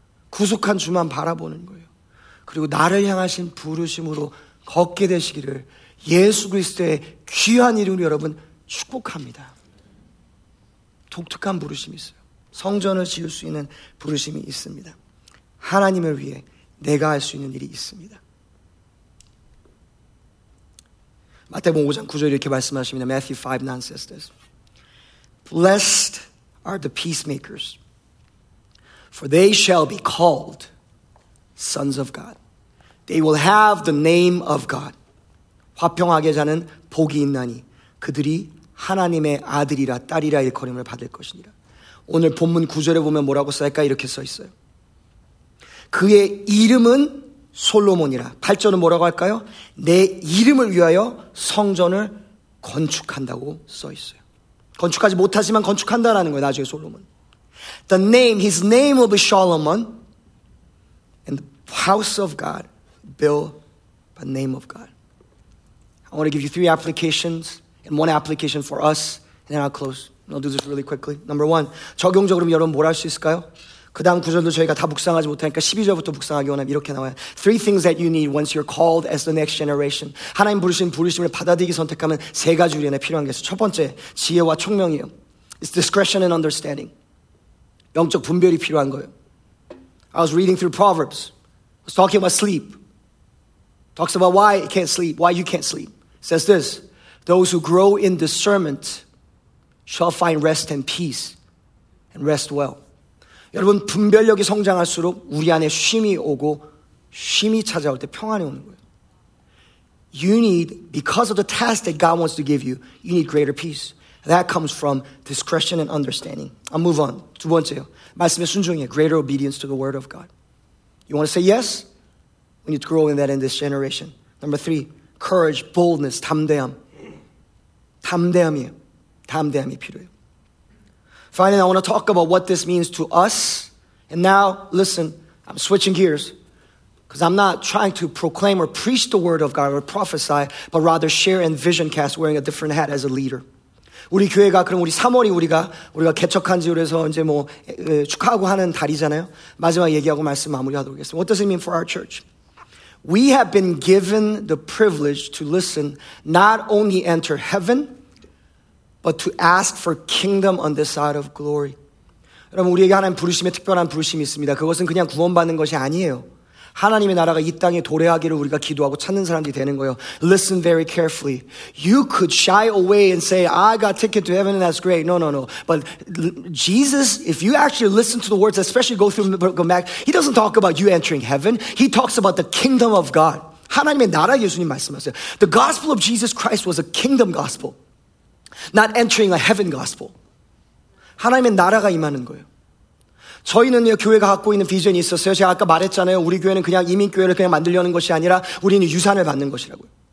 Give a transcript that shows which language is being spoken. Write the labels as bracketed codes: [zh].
[ko] 구속한 주만 바라보는 거예요. 그리고 나를 향하신 부르심으로 걷게 되시기를 예수 그리스도의 귀한 이름으로 여러분 축복합니다. 독특한 부르심이 있어요. 성전을 지을 수 있는 부르심이 있습니다. 하나님을 위해 내가 할 수 있는 일이 있습니다. 마태복음 5장 9절 이렇게 말씀하십니다. [en] Matthew 5:9 says this. Blessed are the peacemakers, for they shall be called sons of God. They will have the name of God. [ko] 화평하게 자는 복이 있나니 그들이 하나님의 아들이라 딸이라 일컬음을 받을 것이니라. 오늘 본문 9절에 보면 뭐라고 써있까? 이렇게 써있어요. 그의 이름은 솔로몬이라. 8절은 뭐라고 할까요? 내 이름을 위하여 성전을 건축한다고 써있어요. 건축하지 못하지만 건축한다라는 거예요. 나중에 솔로몬. [en] The name, his name will be Solomon. And the house of God built by the name of God. I want to give you three applications and one application for us. And then I'll close. I'll do this really quickly. Number one, [ko] 적용적으로 여러분 뭘 할 수 있을까요? 그 다음 구절도 저희가 다 묵상하지 못하니까 12절부터 묵상하기 원합니다. 이렇게 나와요. [en] Three things that you need once you're called as the next generation. [ko] 하나님 부르신 부르심을 받아들이기 선택하면 세 가지 우리 안에 필요한 게 있어요. 첫 번째, 지혜와 총명이에요. [en] It's discretion and understanding. [ko] 영적 분별이 필요한 거예요. [en] I was reading through Proverbs. I was talking about sleep. Talks about why you can't sleep, why you can't sleep. It says this, those who grow in discernment shall find rest and peace and rest well. [ko] 여러분 분별력이 성장할수록 우리 안에 쉼이 오고 쉼이 찾아올 때 평안이 오는 거예요. [en] You need, because of the task that God wants to give you, you need greater peace. That comes from discretion and understanding. I'll move on. [ko] 두 번째요. 말씀에 순종해. [en] Greater obedience to the word of God. You want to say yes? We need to grow in that in this generation. Number three, courage, boldness, [ko] 담대함. 담대함이에요. 담대함이 필요해요. [en] Finally, I want to talk about what this means to us. And now, listen, I'm switching gears. Because I'm not trying to proclaim or preach the word of God or prophesy, but rather share and vision cast wearing a different hat as a leader. [ko] 우리 교회가 그럼 우리 3월이 우리가 개척한 지 그래서 이제 뭐 축하하고 하는 달이잖아요. 마지막 얘기하고 말씀 마무리하도록 하겠습니다. [en] What does it mean for our church? We have been given the privilege to listen, not only enter heaven, but to ask for kingdom on this side of glory. [ko] 여러분 우리에게 하나님 부르심에 특별한 부르심이 있습니다. 그것은 그냥 구원 받는 것이 아니에요. 하나님의 나라가 이 땅에 도래하기를 우리가 기도하고 찾는 사람들이 되는 거예요. [en] Listen very carefully. You could shy away and say, I got ticket to heaven and that's great. No, no, no. But Jesus, if you actually listen to the words, especially go through the book, he doesn't talk about you entering heaven. He talks about the kingdom of God. [ko] 하나님의 나라 예수님 말씀하세요. [en] The gospel of Jesus Christ was a kingdom gospel. Not entering a heaven gospel. [ko] 하나님의 나라가 임하는 거예요. 저희는요 교회가 갖고 있는 비전이 있었어요. 제가 아까 말했잖아요. 우리 교회는 그냥 이민교회를 그냥 만들려는 것이 아니라 우리는 유산을 받는 것이라고요.